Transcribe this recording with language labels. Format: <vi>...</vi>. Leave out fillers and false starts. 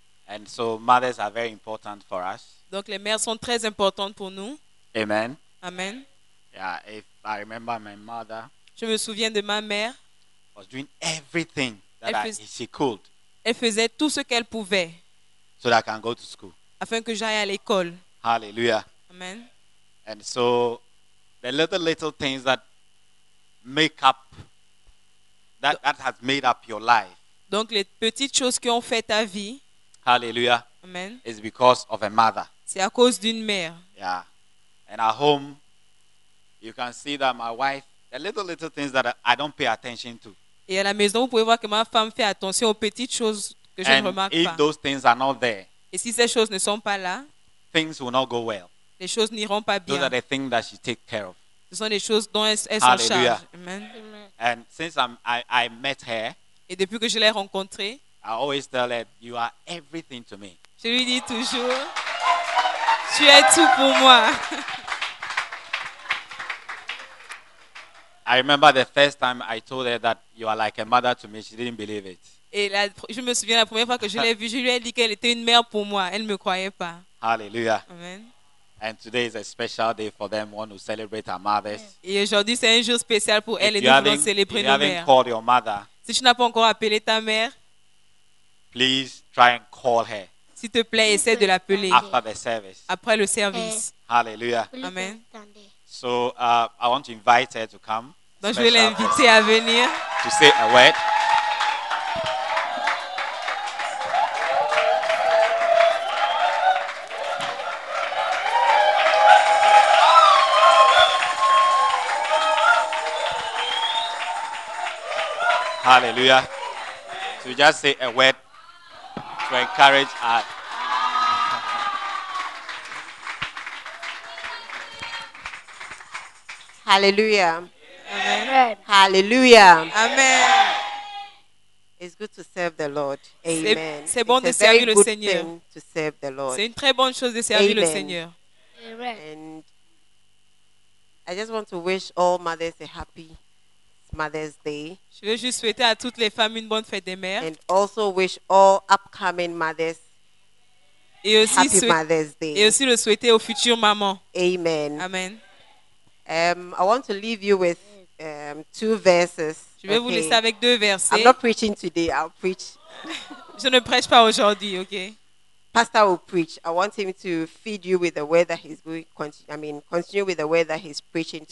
<en>And so mothers are very important for us.</en> <fr>Donc les mères sont très importantes pour nous. Amen. Amen.</fr> <en>Yeah, if I remember my mother.</en> <fr>Je me souviens de ma mère.</fr> <en>Was doing everything that she could.</en> <fr>Elle faisait tout ce qu'elle pouvait.</fr> <en>So that I can go to school.</en> <fr>Afin que j'aille à l'école. Hallelujah. Amen.</fr> <en>And so, the little things that make up, that has made up your life.</en> <fr>Donc les petites choses qui ont fait ta vie. Hallelujah. Amen.</fr> <en>Is because of a mother.</en> <fr>C'est à cause d'une mère.</fr> <en>Yeah. And at home, you can see that my wife, the little things that I don't pay attention to.</en> <fr>Et à la maison, vous pouvez voir que ma femme fait attention aux petites choses que je ne remarque pas.</fr> <en>And if those things are not there.</en> <fr>Et si ces choses ne sont pas là.</fr> <en>Things will not go well.</en> <fr>Les choses n'iront pas bien.</fr> <en>Those are the things that she take care of.</en> <fr>Ce sont les choses dont elle s'en charge. Hallelujah. Amen.</fr> <en>And since I met her,</en> <fr>et depuis que je l'ai rencontrée,</fr> <en>I always tell her, you are everything to me.</en> <fr>Je lui dis toujours, tu es tout pour moi.</fr> <en>I remember the first time I told her that you are like a mother to me. She didn't believe it.</en> <fr>Et là, je me souviens la première fois que je l'ai vue, je lui ai dit qu'elle était une mère pour moi. Elle ne me croyait pas. Hallelujah. Amen.</fr> <en>And today is a special day for them, one who celebrate our mothers.</en> <fr>Et aujourd'hui, c'est un jour spécial pour elles et nous voulons célébrer nos mères.</fr> <en>If you haven't called your mother,</en> <fr>si tu n'as pas encore appelé ta mère,</fr> <en>please try and call her.</en> <fr>S'il te plaît, essaie de l'appeler.</fr> <en>After the service.</en> <fr>Après le service. Hallelujah. Amen.</fr> <en>So, I want to invite her to come.</en> <fr>Donc, je vais l'inviter à venir.</fr> <en>To say a word. Hallelujah. To just say a word to encourage us. Hallelujah. Amen. Hallelujah. Amen. It's good to serve the Lord. Amen.</en> <fr>C'est bon</fr> <en>it's</en> <fr>de</fr> <en>a</en> <fr>servir</fr> <en>very</en> <fr>le</fr> <en>good</en> <fr>Seigneur.</fr> <en>Thing to serve the Lord.</en> <fr>C'est une très bonne chose de servir Amen. Le Seigneur. Amen.</fr> <en>And I just want to wish all mothers a happy Mother's Day.</en> <fr>Je veux juste souhaiter à toutes les femmes une bonne fête des mères.</fr> <en>And also wish all upcoming mothers</en> <fr>et aussi</fr> <en>happy Mother's Day.</en> <fr>Et aussi le souhaiter aux futures mamans. Amen. Amen.</fr> <en>I want to leave you with two verses.</en> <fr>Je vais vous laisser avec deux versets.</fr> <en>I'm not preaching today. I'll preach.</en> <fr>Je ne prêche pas aujourd'hui, ok?</fr> <en>Pastor will preach. I want him to feed you with the word that he's going to continue. I mean, continue with the word that he's preaching to</en>